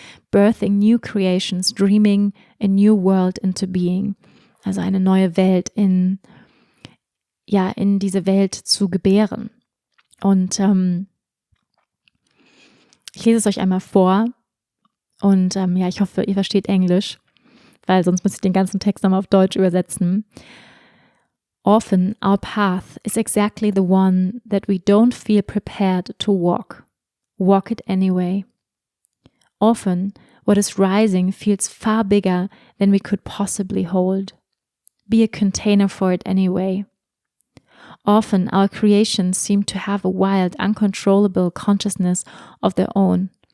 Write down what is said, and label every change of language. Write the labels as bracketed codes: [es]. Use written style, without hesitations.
[en] Birthing new creations, dreaming a new world into being. [de] Also eine neue Welt in diese Welt zu gebären. Und ich lese es euch einmal vor. Und ich hoffe, ihr versteht Englisch, weil sonst muss ich den ganzen Text nochmal auf Deutsch übersetzen. [en] Often our path is exactly the one that we don't feel prepared to walk. Walk it anyway. Often what is rising feels far bigger than we could possibly hold. Be a container for it anyway. Often our creations seem to have a wild, uncontrollable consciousness of their own.